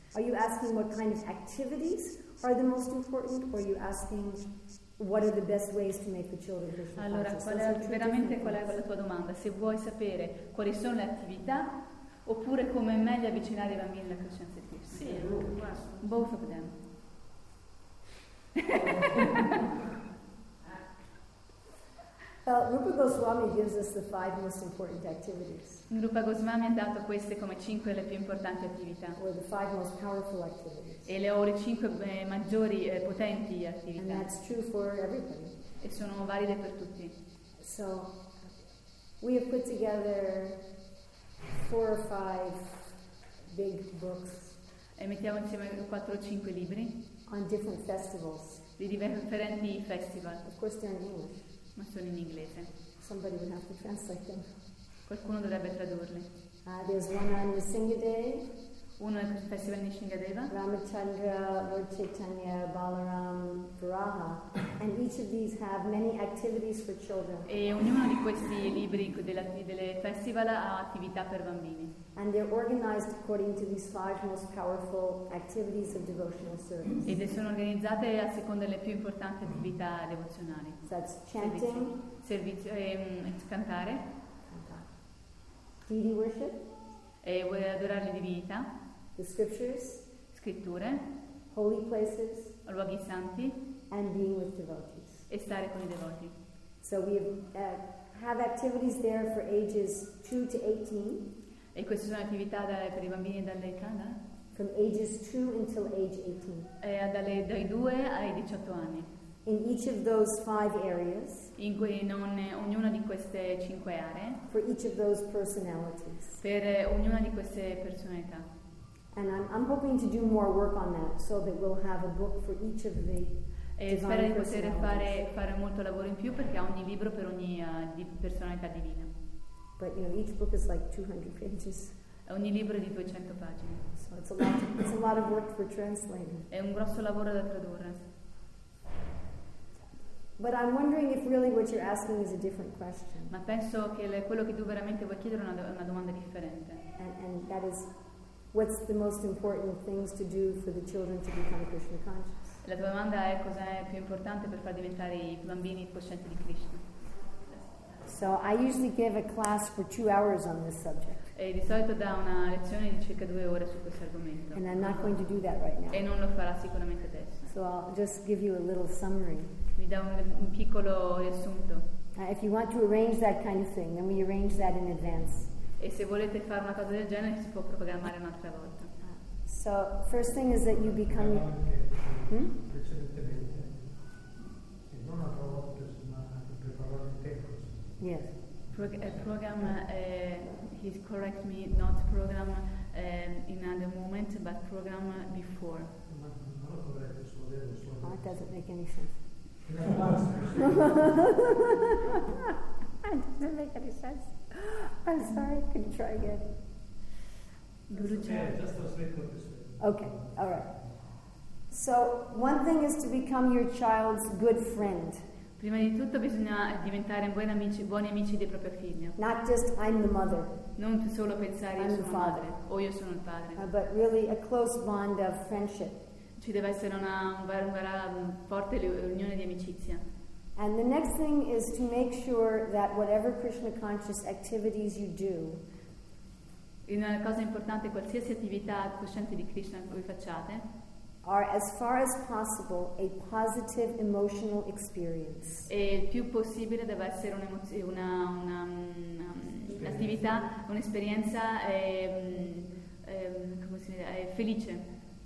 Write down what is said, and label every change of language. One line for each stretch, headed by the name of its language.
English: Are you asking what kind of activities are the most important, or are you asking what are the best ways to make the children Christian?
Italian: Allora, qual è la tua domanda? Se vuoi sapere quali sono le attività oppure come è meglio avvicinare i bambini alla coscienza di Cristo? Sì,
English: both of them. Rupa Goswami gives us the five most important activities.
Italian: Rupa Goswami ha dato queste come cinque le più importanti attività.
English: Or the five most powerful activities.
Italian: E le ho le cinque maggiori potenti attività.
English: And that's true for everybody.
Italian: E sono valide per tutti.
English: So we have put together four or five big books.
Italian: E mettiamo insieme 4 o 5 libri.
English: On different festivals.
Italian: Di differenti festival.
English: Of course they're in English.
Italian: Ma sono in inglese.
English: Somebody would have to translate them.
Italian: Qualcuno dovrebbe tradurli.
English: There's one on Nisinga Day.
Italian: Uno è il festival Nisingadeva.
English: Ramachandra, Lord Chaitanya, Balaram, Varaha. And each of these have many activities for children.
Italian: E ognuno di questi libri delle festival ha attività per bambini.
English: And they're organized according to these five most powerful activities of devotional service.
Italian: E sono organizzate a seconda delle più importanti attività devozionali.
English: So that's chanting.
Italian: Servizio, cantare.
English: Deity worship.
Italian: E vuoi adorare le divinità.
English: The scriptures.
Italian: Scritture.
English: Holy places.
Italian: Luoghi santi.
English: And being with devotees.
Italian: E stare con i devoti.
English: So we have activities there for ages 2 to 18.
Italian: E queste sono attività per i bambini dall'età, no?
English: From ages 2 until age 18.
Italian: E dai 2 ai 18 anni.
English: In each of those 5 areas.
Italian: In cui non ognuna di queste 5 aree.
English: For each of those personalities.
Italian: Per ognuna di queste personalità.
English: And I'm hoping to do more work on that so that we'll have a book for each of the
Italian: spero di poter fare molto lavoro in più perché ha ogni libro per ogni personalità divina.
English: But you know, each book is like 200 pages.
Italian: Ogni libro è di 200 pagine.
English: So it's a lot of work for translating.
Italian: È un grosso lavoro da tradurre.
English: But I'm wondering if really what you're asking is a different question.
Italian: Ma penso che quello che tu veramente vuoi chiedere è una domanda differente.
English: And that is, what's the most important things to do for the children to become Krishna conscious?
Italian: La tua domanda è cosa è più importante per far diventare i bambini coscienti di Krishna.
English: So I usually give a class for 2 hours on this subject.
Italian: E di solito dà una lezione di circa 2 ore su questo argomento.
English: And I'm not going to do that right now.
Italian: E non lo farà sicuramente adesso.
English: So I'll just give you a little summary.
Italian: Vi dà un piccolo riassunto.
English: If you want to arrange that kind of thing, then we arrange that in advance.
Italian: E se volete fare una cosa del genere si può programmare un'altra volta.
English: So first thing is that you become Yes. Program. He correct me. Not program in another moment, but program before. Oh, that doesn't make any sense. It doesn't make any sense. I'm sorry. Can you try again? Okay. All right. So one thing is to become your child's good friend.
Italian: Prima di tutto bisogna diventare buoni amici del proprio figlio.
English: Not just I'm the mother.
Italian: non solo pensare
English: I'm
Italian: io sono il padre o io sono il padre,
English: but really a close bond of friendship.
Italian: Ci deve essere una vera forte unione di amicizia.
English: And the next thing is to make sure that whatever Krishna conscious activities you do,
Italian: una cosa importante, qualsiasi attività cosciente di Krishna che voi facciate,
English: are as far as possible a positive emotional experience.
Italian: E il più possibile deve essere un'attività, un'esperienza come si dice, felice.